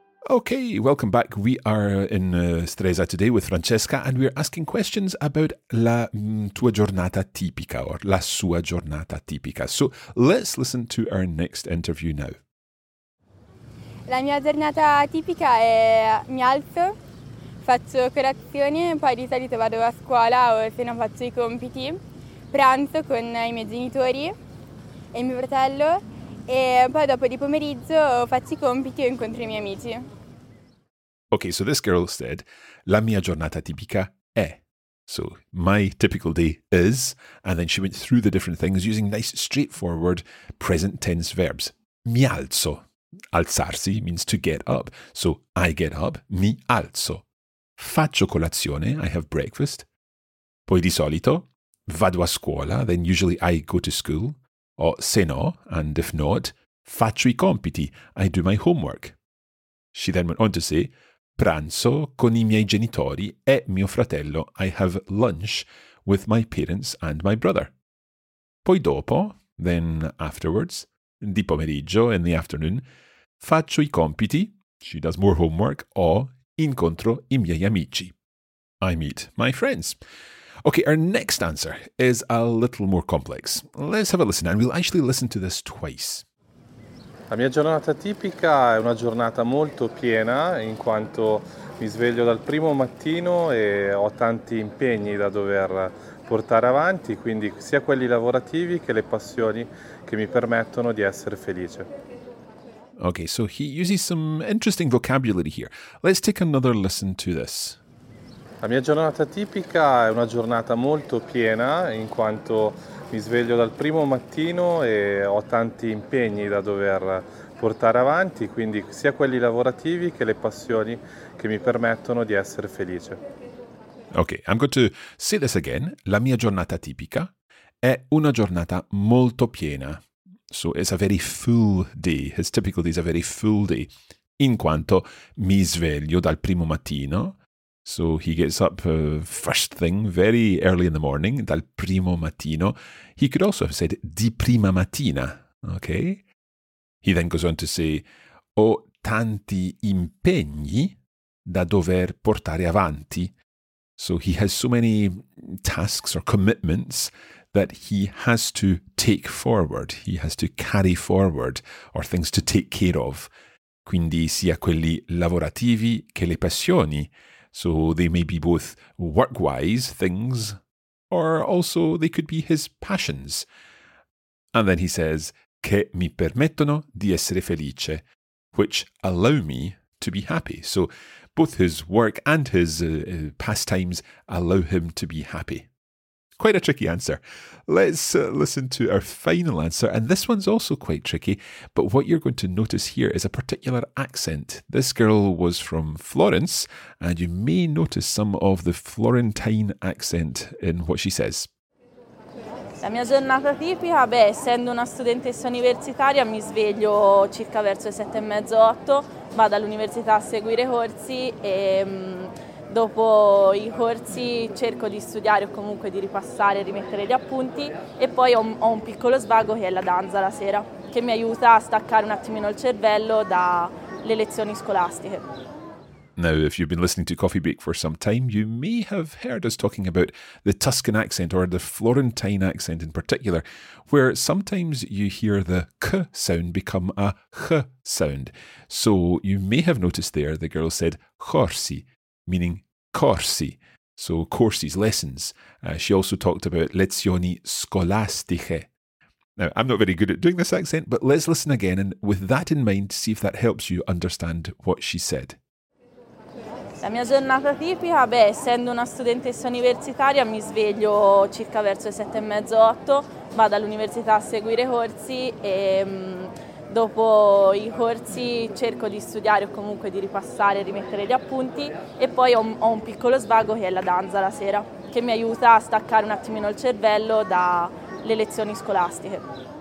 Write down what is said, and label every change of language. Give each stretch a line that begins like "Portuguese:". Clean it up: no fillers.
English: Okay, welcome back. We are in Stresa today with Francesca and we're asking questions about
Italian: la tua giornata tipica
English: or
Italian: la sua giornata tipica.
English: So let's listen to our next interview now.
Italian: La mia giornata tipica è mi alzo, faccio colazione, poi di solito vado a scuola o se non faccio i compiti, pranzo con i miei genitori e mio fratello e poi dopo di pomeriggio faccio i compiti e incontro i miei amici.
English: Okay, so this girl said,
Italian: la mia giornata tipica è.
English: So, my typical day is, and then she went through the different things using nice straightforward present tense verbs.
Italian: Mi alzo.
English: Alzarsi means to get up. So, I get up,
Italian: mi alzo. Faccio colazione,
English: I have breakfast.
Italian: Poi di solito, vado a scuola,
English: then usually I go to school.
Italian: O se no,
English: and if not,
Italian: faccio i compiti,
English: I do my homework. She then went on to say,
Italian: pranzo con i miei genitori e mio fratello.
English: I have lunch with my parents and my brother.
Italian: Poi dopo,
English: then afterwards,
Italian: di pomeriggio,
English: in the afternoon,
Italian: faccio i compiti,
English: she does more homework,
Italian: o incontro i miei amici.
English: I meet my friends. Okay, our next answer is a little more complex. Let's have a listen and we'll actually listen to this twice.
Italian: La mia giornata tipica è una giornata molto piena in quanto mi sveglio dal primo mattino e ho tanti impegni da dover portare avanti, quindi sia quelli lavorativi che le passioni che mi permettono di essere felice.
English: Okay, so he uses some interesting vocabulary here. Let's take another listen to this.
Italian: La mia giornata tipica è una giornata molto piena in quanto mi sveglio dal primo mattino e ho tanti impegni da dover portare avanti, quindi sia quelli lavorativi che le passioni che mi permettono di essere felice.
English: Ok, I'm going to say this again.
Italian: La mia giornata tipica è una giornata molto piena.
English: So it's a very full day. His typical day is a very full day.
Italian: In quanto mi sveglio dal primo mattino.
English: So he gets up first thing, very early in the morning,
Italian: dal primo mattino.
English: He could also have said
Italian: di prima mattina,
English: okay? He then goes on to say,
Italian: ho tanti impegni da dover portare avanti.
English: So he has so many tasks or commitments that he has to take forward, he has to carry forward, or things to take care of.
Italian: Quindi sia quelli lavorativi che le passioni.
English: So they may be both work-wise things, or also they could be his passions. And then he says,
Italian: che mi permettono di essere felice,
English: which allow me to be happy. So both his work and his pastimes allow him to be happy. Quite a tricky answer. Let's listen to our final answer. And this one's also quite tricky. But what you're going to notice here is a particular accent. This girl was from Florence. And you may notice some of the Florentine accent in what she says.
Italian: La mia giornata tipica, essendo una studentessa universitaria, mi sveglio circa verso le 7:30-8, vado all'università a seguire corsi e dopo i corsi cerco di studiare o comunque di ripassare e rimettere gli appunti, e poi ho un piccolo svago che è la danza la sera, che mi aiuta a staccare un attimino il cervello dalle lezioni scolastiche.
English: Now, if you've been listening to Coffee Break for some time, you may have heard us talking about the Tuscan accent, or the Florentine accent in particular, where sometimes you hear the K sound become a H sound. So you may have noticed there the girl said corsi, meaning corsi, so courses, lessons. She also talked about
Italian: lezioni scolastiche.
English: Now, I'm not very good at doing this accent, but let's listen again, and with that in mind, see if that helps you understand what she said.
Italian: La mia giornata tipica, essendo una studentessa universitaria, mi sveglio circa verso le 7:30-8, vado all'università a seguire corsi e dopo i corsi cerco di studiare o comunque di ripassare e rimettere gli appunti, e poi ho un piccolo svago che è la danza la sera, che mi aiuta a staccare un attimino il cervello dalle lezioni scolastiche.